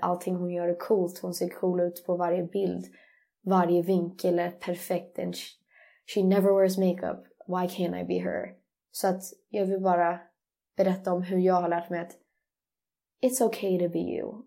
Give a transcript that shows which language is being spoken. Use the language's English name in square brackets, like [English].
[Swedish] Allting hon gör är coolt. Hon ser cool ut på varje bild. Varje vinkel är perfekt. [English] And she never wears makeup. Why can't I be her? [Swedish] Så att jag vill bara berätta om hur jag har lärt mig att [English] it's okay to be you.